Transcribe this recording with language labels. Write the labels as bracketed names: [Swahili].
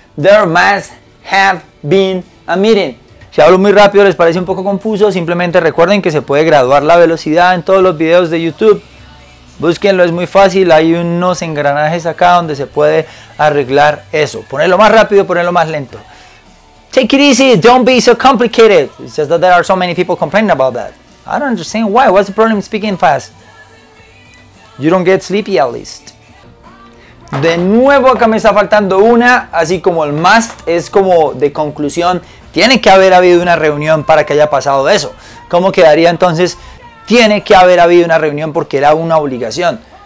[English] There must have been a meeting. [Spanish] Si hablo muy rápido, les parece un poco confuso, simplemente recuerden que se puede graduar la velocidad en todos los videos de YouTube. Búsquenlo, es muy fácil. Hay unos engranajes acá donde se puede arreglar eso. Ponerlo más rápido, ponerlo más lento. [English] Take it easy, don't be so complicated. It's just that there are so many people complaining about that. I don't understand why, what's the problem speaking fast? You don't get sleepy at least. [Spanish] De nuevo acá me está faltando una, así como el must es como de conclusión. Tiene que haber habido una reunión para que haya pasado eso. ¿Cómo quedaría entonces? Tiene que haber habido una reunión porque era una obligación.